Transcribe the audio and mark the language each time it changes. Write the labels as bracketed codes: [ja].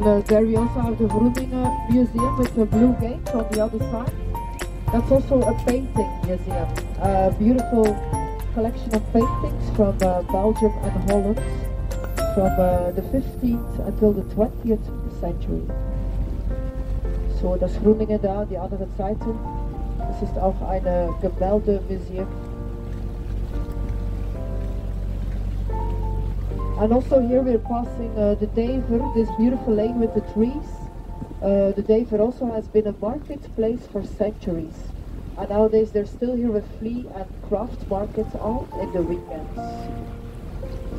[en] There we also have the Vroeminger Museum with the blue gate on the other side. That's also a painting museum, a beautiful collection of paintings from Belgium and Holland from the 15th until the 20th century. [de] So das Vroeminger da, die andere Seite, das ist auch ein Gemäldemuseum. [en] And also here we're passing the Dever, this beautiful lane with the trees. The Dever also has been a marketplace for centuries. And nowadays they're still here with flea and craft markets all in the weekends.